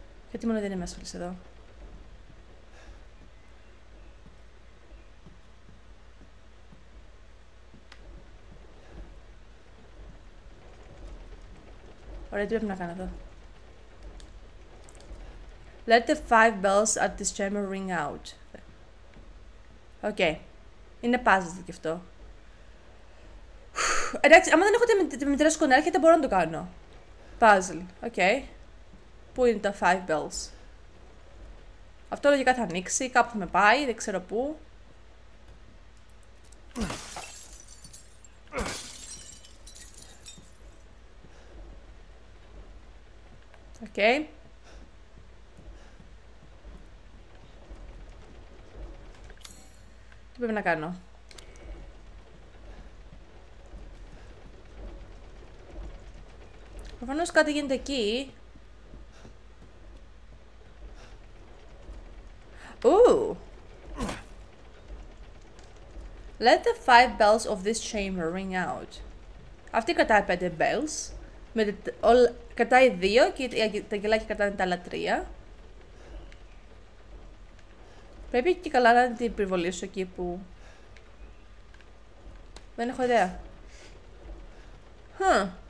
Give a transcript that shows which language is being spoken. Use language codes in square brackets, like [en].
[el] Γιατί μόνο δεν είμαι ασφαλής εδώ. Ωραία, τι πρέπει να κάνω εδώ. [en] Let the five bells at this chamber ring out. [el] Οκ. Είναι puzzle και αυτό. Εντάξει, άμα δεν έχω τη μητέρα σκονέ, έρχεται, μπορώ να το κάνω. Puzzle. Οκ. Πού είναι τα [en] five bells? [el] Αυτό λογικά θα ανοίξει, κάπου θα με πάει, δεν ξέρω πού. Οκ. Τι πρέπει να κάνω. Προφανώς κάτι γίνεται εκεί. [en] Let the five bells of this chamber ring out. [el] Αυτή κρατάει πέντε bells. Κρατάει δύο και τα αγγελάκια κρατάνε τα άλλα τρία. Πρέπει και καλά να την πυροβολήσω εκεί που... Δεν έχω ιδέα. Huh.